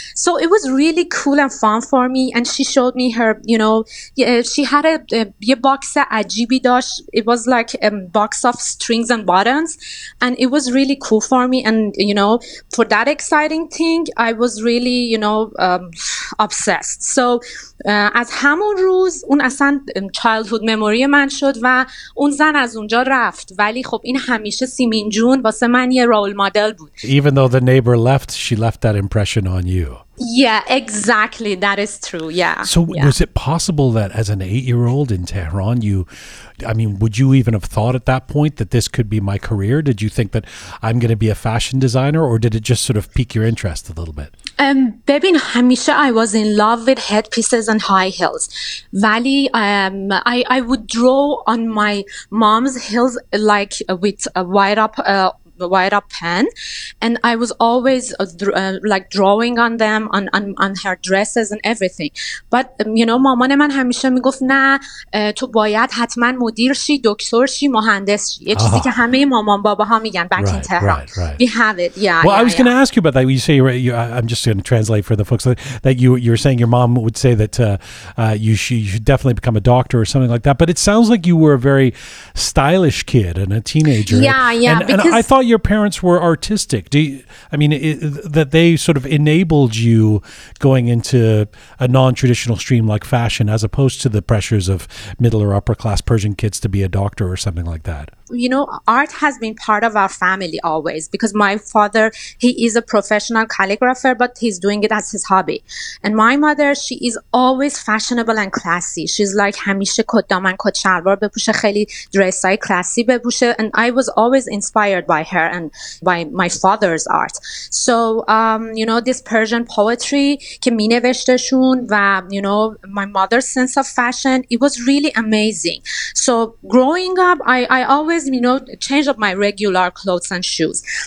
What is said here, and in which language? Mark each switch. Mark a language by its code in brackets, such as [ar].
[en] So it was really cool and fun for me. And she showed me her, you know, she had a box of Ajibi Dosh. It was like a box of strings and buttons. And it was really cool for me. And, you know, for that exciting thing, I was really, you know, obsessed. So [fa] از همون روز اون اصلا [en] childhood memory [fa] من شد و اون زن از اونجا رفت. ولی خب این همیشه سیمین جون واسه من یه [en] role model [fa] بود. [en] Even though the neighbor left, she left that impression on you. Yeah, exactly. That is true. Yeah. So yeah. Was it possible that as an 8-year-old in Tehran, would you even have thought at that point that this could be my career? Did you think that I'm going to be a fashion designer, or did it just sort of pique your interest a little bit? [fa] Babin, Hamisha, [en] I was in love with headpieces and high heels. [fa] Vali, [en] I would draw on my mom's heels like with a white up pen, and I was always like drawing on them, on her dresses and everything. But you know, [fa] مامان من همیشه میگفت نه تو باید حتما مدیر شی، دکتر شی، مهندس شی. یه چیزی که همه مامان باباها میگن [en] back in Tehran. Right. We have it. Yeah. Well, I was going to ask you about that. You say I'm just going to translate for the folks that you're saying your mom would say that you should definitely become a doctor or something like that. But it sounds like you were a very stylish kid and a teenager. Yeah. And I thought your parents were artistic. That they sort of enabled you going into a non-traditional stream like fashion, as opposed to the pressures of middle or upper class Persian kids to be a doctor or something like that. You know, art has been part of our family always, because my father, he is a professional calligrapher, but he's doing it as his hobby. And my mother, she is always fashionable and classy. She's like, [fa] همیشه کت دامن کت شلوار بپوشه، خیلی دریسای [en] classy [fa] بپوشه. [en] And I was always inspired by her and by my father's art. So, you know, this Persian poetry [fa] که می نوشتشون و, [en] you know, my mother's sense of fashion, it was really amazing. So growing up, I always change up my regular clothes and shoes.